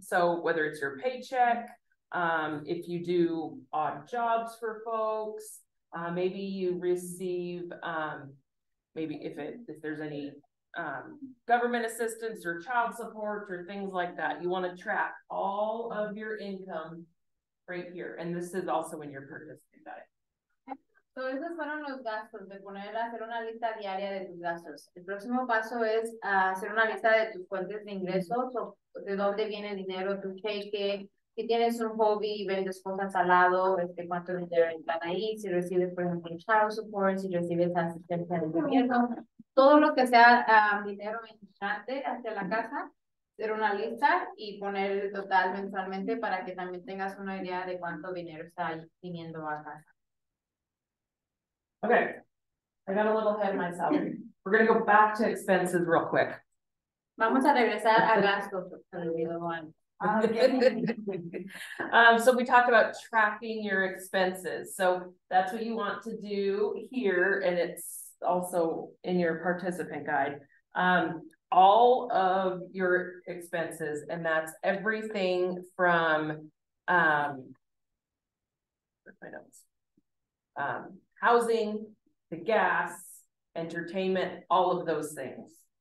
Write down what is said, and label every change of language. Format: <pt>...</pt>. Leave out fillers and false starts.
<en>So whether it's your paycheck, if you do odd jobs for folks, maybe you receive, if there's any government assistance or child support or things like that, you want to track all of your income right here. And this is also in your purchase diet.</en> <es>So esos fueron los gastos de poner a hacer una lista diaria de tus gastos. El próximo paso es hacer una lista de tus fuentes de ingresos, de dónde viene el dinero, tu cheque. Si tienes un hobby y vendes cosas al lado, cuánto dinero entran ahí, si recibes, por ejemplo, child support, si recibes asistencia del gobierno, todo lo que sea dinero entrante hacia la casa, hacer una lista y poner el total mensualmente para que también tengas una idea de cuánto dinero está viniendo a casa.</es> <en>Okay, I got a little ahead of myself. We're going to go back to expenses real quick.</en> <es>Vamos a regresar a gastos, se olvidó antes.</es> <en>So we talked about tracking your expenses. So that's what you want to do here. And it's also in your participant guide. All of your expenses, and that's everything from housing, the gas, entertainment, all of those things.</en>